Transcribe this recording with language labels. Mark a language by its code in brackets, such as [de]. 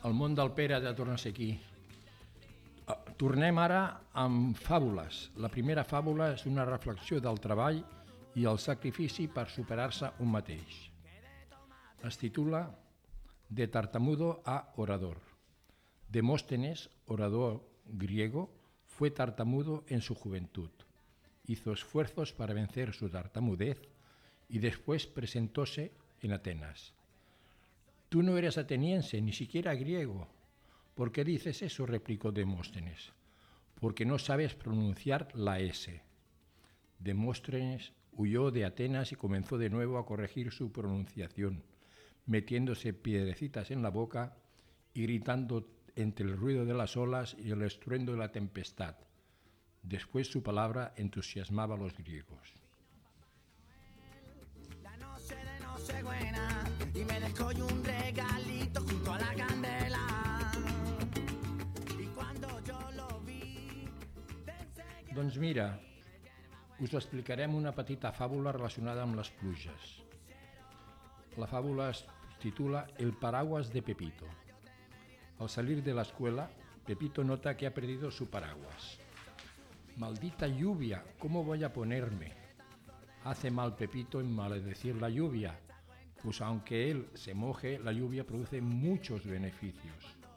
[ca] El món del Pere ja torna a ser aquí. Tornem ara amb fàbules. La primera fàbula és una reflexió del treball i el sacrifici per superar-se un mateix. Es titula De tartamudo a orador. [es] Demóstenes, orador griego, fue tartamudo en su juventud. Hizo esfuerzos para vencer su tartamudez y después presentóse en Atenas. Tú no eres ateniense, ni siquiera griego. ¿Por qué dices eso?, replicó Demóstenes. Porque no sabes pronunciar la S. Demóstenes, huyó de Atenas y comenzó de nuevo a corregir su pronunciación, metiéndose piedrecitas en la boca y gritando entre el ruido de las olas y el estruendo de la tempestad. Después su palabra entusiasmaba a los griegos. La noche de Nochebuena y me dejó yo un regalito junto a la candela. Y cuando yo lo vi, pensé que... [ca] Doncs mira, us explicarem una petita fàbula relacionada amb les pluges. La fàbula es titula El paraguas de Pepito. [es] Al salir de la escuela, Pepito nota que ha perdido su paraguas. Maldita lluvia, ¿cómo voy a ponerme? Hace mal Pepito en maldecir la lluvia, pues aunque él se moje, la lluvia produce muchos beneficios.